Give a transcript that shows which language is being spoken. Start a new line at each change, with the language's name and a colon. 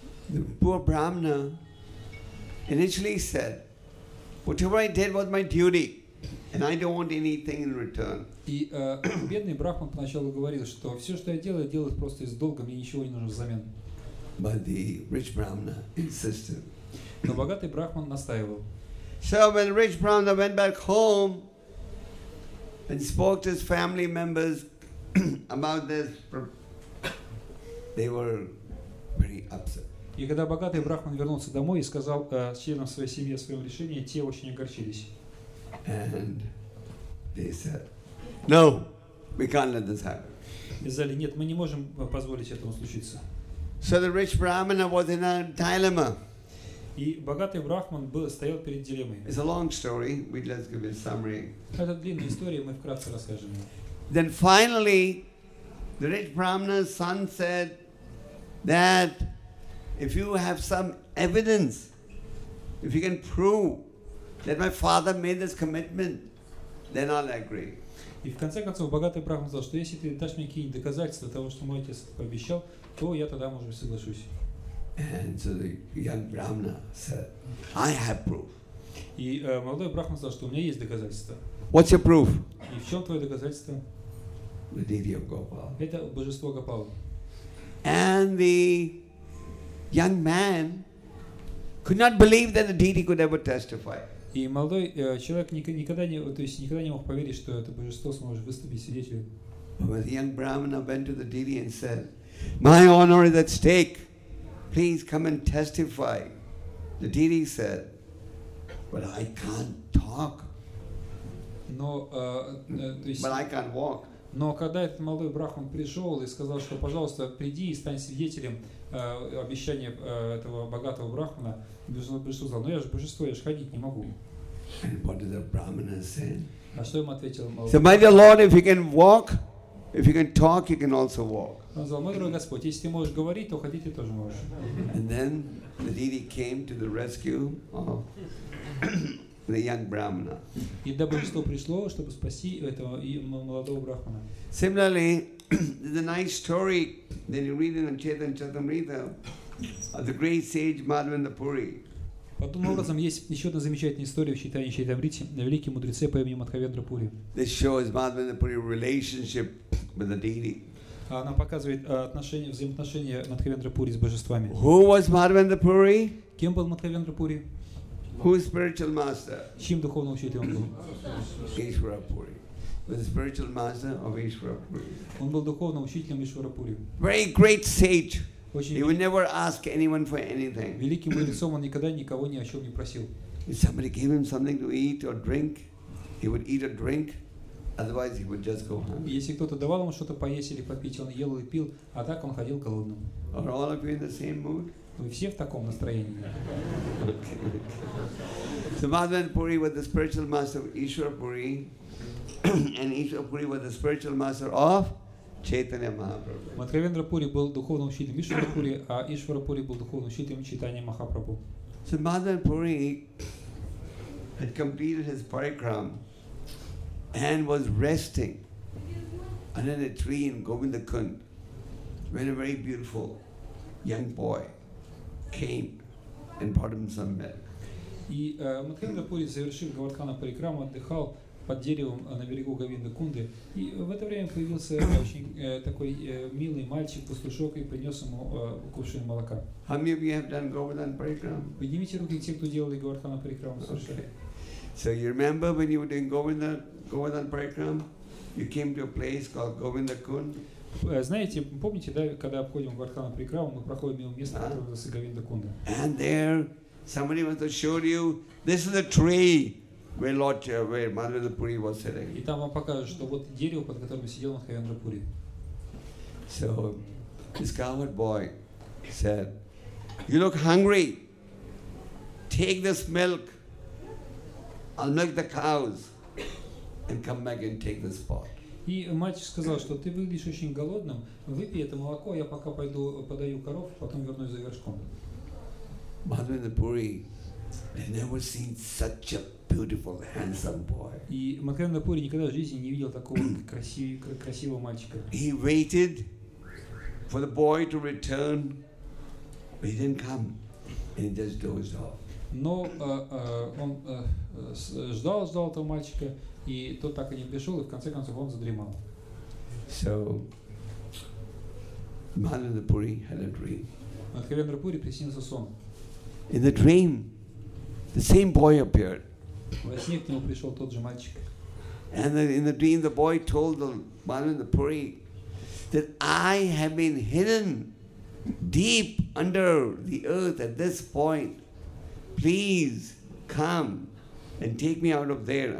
English: The poor brahmana initially said, "Whatever I did was my duty, and I don't want anything in return."
Russian: И бедный брахман поначалу говорил, что все, что я делаю просто из долга, мне ничего не нужно взамен.
English: But the rich brahmana insisted.
Russian: Но богатый брахман настаивал.
English: So when rich brahmana went back home and spoke to his family members about this, they were very upset.
Russian: И когда богатый брахман вернулся домой и сказал членам своей семьи о своем решении, те очень огорчились.
English: And they said, "No, we can't let this happen."
Russian: И сказали: "Нет, мы не можем позволить этому случиться."
English: So the rich brahmana was in a dilemma.
Russian: И богатый брахман стоял перед дилеммой.
English: It's a long story. We'd let's give a summary.
Russian: Это длинная история, мы вкратце расскажем.
English: Then finally, the rich brahmana's son said that if you have some evidence, if you can prove that my father made this commitment, then I'll agree.
Russian: И в конце концов богатый брахман сказал, что если ты дашь мне какие-нибудь доказательства того, что мой отец пообещал, то я тогда, может быть, соглашусь.
English: And so the young brahmana said, "I have proof."
Russian: И молодой брахман сказал, что у меня есть доказательства.
English: What's your proof?
Russian: И в чем твое доказательство?
English: The deity of Gopal.
Russian: Это божество Гопала.
English: And the young man could not believe that the deity could ever testify.
Russian: И молодой человек никогда не мог поверить, что это божество сможет выступить свидетелем.
English: But the young brahmana went to the deity and said, "My honor is at stake. Please come and testify." The deity said, "But I can't talk."
Russian: Но то есть.
English: But I can't walk.
Russian: Но когда этот молодой брахман пришел и сказал, что, пожалуйста, приди и стань свидетелем обещания этого богатого брахмана, Бишу сказал, ну я же божество, я же ходить не могу.
English: And what did the brahmana say?
Russian: А что ему ответил молодой?
English: So, my dear Lord, if you can walk, if you can talk, you can also walk.
Russian: Он сказал, мой дорогой Господь, если ты можешь говорить, то ходить ты тоже можешь.
English: And then the deity came to the rescue of the young brahmana.
Russian: И дабы что пришло, чтобы спасти этого молодого брахмана.
English: Similarly, the nice story that you read in the Chaitanya Charitamrita of the great sage Madhavendra Puri.
Russian: Подобным образом есть еще одна замечательная история в Чайтанье Чайтамрите на великом мудреце по имени Мадхавендра Пури.
English: This shows Madhavendra Puri relationship with the deity.
Russian: Она показывает отношения, взаимоотношения Мадхавендра Пури с божествами.
English: Who was Madhavendra Puri?
Russian: Кем был Мадхавендра Пури?
English: Whose spiritual master?
Russian: Чьим духовным учителем был?
English: Ишвара Пури. The spiritual master of Ишвара Пури.
Russian: Он был духовным учителем Ишвара Пури.
English: Very great sage. He would never ask anyone for anything.
Russian: Великим мудрецом он никогда никого ни о чем не просил.
English: If somebody gave him something to eat or drink, he would eat or drink. Otherwise, he would just go hungry.
Russian: Если кто-то давал ему что-то поесть или попить, он ел и пил, а так он ходил голодным.
English: Are all of you in the same mood?
Russian: Вы все в таком настроении?
English: So Madhavendra Puri was the spiritual master of Ishwara Puri, and Ishwara Puri was the spiritual master of Chaitanya Mahaprabhu.
Russian: Мадхавендра Пури был духовным учителем Ишвара Пури, а Ишвара Пури был духовным учителем Чайтанья Махапрабху.
English: So Madhavendra Puri had completed his parikram and was resting under a tree in Govindakund when a very beautiful young boy came and brought him some milk.
Russian: И Мадхавендра Пури, завершив Говардхана парикраму, отдыхал под деревом на берегу Говиндакунды. И в это время появился очень такой милый мальчик, пастушок, и принес ему кувшин молока.
English: How many of you have done Govardhan Parikram?
Russian: Поднимите руки те, кто делали Говардхана Парикраму.
English: So you remember when you were doing Govardhan Parikram, you came to a place called Govindakund?
Russian: Знаете, помните, да, когда обходим Говардхана Парикраму, мы проходим мимо места, которое называется Говиндакунда.
English: And there, somebody wants to show you, this is a tree. Where Lord, where Madhavendra Puri was sitting.
Russian: И там вам покажут, что вот дерево, под которым сидел Мадхавендра Пури.
English: So this coward boy said, "You look hungry. Take this milk. I'll milk the cows and come back and take this pot."
Russian: И мальчик сказал, что ты выглядишь очень голодным. Выпей это молоко, я пока пойду подаю коров, потом вернусь за горшком.
English: Madhavendra Puri had never seen such a beautiful, handsome boy.
Russian: И Мадхавендра Пури никогда в жизни не видел такого красивого мальчика.
English: He waited for the boy to return, but he didn't come, and he just dozed off.
Russian: Но он ждал этого мальчика, и тот так и не пришел, и в конце концов он задремал.
English: So Madhavendra Puri had a dream.
Russian: Мадхавендра Пури приснился сон.
English: In the dream, the same boy appeared.
Russian: Во сне к нему пришел тот же мальчик.
English: And in the dream, the boy told the Madhavendra Puri that I have been hidden deep under the earth at this point. Please come and take me out of there.